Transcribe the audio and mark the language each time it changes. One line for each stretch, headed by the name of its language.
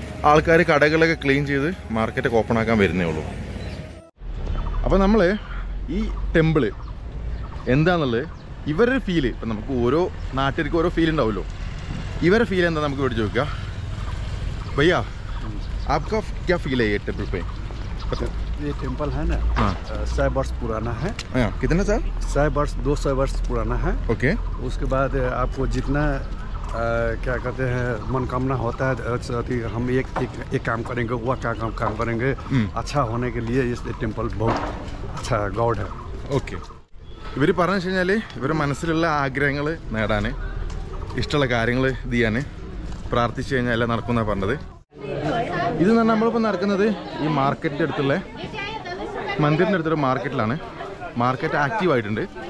Malayalam: ആൾക്കാർ കടകളൊക്കെ ക്ലീൻ ചെയ്ത് മാർക്കറ്റൊക്കെ ഓപ്പൺ ആക്കാൻ വരുന്നേ ഉള്ളൂ. അപ്പോൾ നമ്മൾ ഈ ടെമ്പിൾ എന്താണെന്നുള്ളത് ഇവരുടെ ഫീല്, ഇപ്പം നമുക്ക് ഓരോ നാട്ടിലേക്ക് ഓരോ ഫീൽ ഉണ്ടാവുമല്ലോ, ഇവരുടെ ഫീൽ എന്താ നമുക്ക് ഇവിടെ ചോദിക്കുക.
Hindi: ഭയ്യ ആപ്ക ക്യാ ഫീൽ ഹൈ ടെമ്പിൾ പേ? ये टेंपल है ना, 100 वर्ष पुराना है. कितने साल? 100 वर्ष, 200 वर्ष पुराना है. ओके. उसके बाद आपको जितना क्या कहते हैं मनोकामना होता है, हम एक एक एक काम करेंगे, वह क्या काम काम करेंगे अच्छा होने के लिए. इस टेंपल बहुत अच्छा गॉड है. ओके.
Malayalam: ഇവർ പറഞ്ഞു കഴിഞ്ഞാൽ ഇവരുടെ മനസ്സിലുള്ള ആഗ്രഹങ്ങൾ നേടാൻ, ഇഷ്ടമുള്ള കാര്യങ്ങൾ ചെയ്യാൻ പ്രാർത്ഥിച്ചു കഴിഞ്ഞാൽ എല്ലാം നടക്കുന്ന പറഞ്ഞത്. ഇത് തന്നെ നമ്മളിപ്പോൾ നടക്കുന്നത് ഈ മാർക്കറ്റിൻ്റെ അടുത്തുള്ള മന്ദിറിൻ്റെ അടുത്തുള്ള മാർക്കറ്റിലാണ്. മാർക്കറ്റ് ആക്റ്റീവ് ആയിട്ടുണ്ട്.